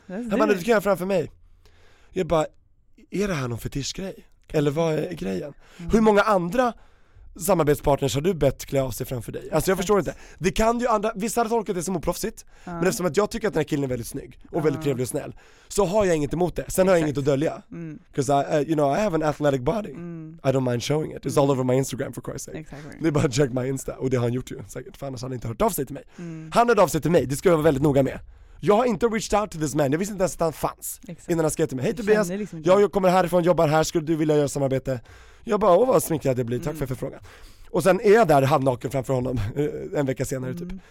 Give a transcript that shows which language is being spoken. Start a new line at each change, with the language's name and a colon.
Swedish: Han bara, du kan göra framför mig. Jag bara, är det här någon fetischgrej? Eller vad är grejen? Hur många andra samarbetspartners har du bett klä av sig framför dig? Alltså jag förstår inte. Det kan ju andra, vissa har tolkat det som oproffsigt, men eftersom att jag tycker att den här killen är väldigt snygg och väldigt trevlig och snäll, så har jag inget emot det. Sen har jag inget att dölja.
English: Because you know, I have an athletic body. I don't mind showing it. It's all over my Instagram, for Christ's sake. Exactly.
Swedish: Det är bara att
English: check my Insta.
Swedish: Och det har han gjort ju säkert, för annars har han inte hört av sig till mig. Han hörde av sig till mig, det ska jag vara väldigt noga med. Jag har inte
English: reached out to this man.
Swedish: Jag visste inte ens att han fanns. Exakt. Innan han skrev till mig. Hej Tobias, liksom jag kommer härifrån, jobbar här. Skulle du vilja göra samarbete? Jag bara, åh vad sminkad det blir. Tack för förfrågan. Och sen är jag där halvnaken framför honom en vecka senare typ.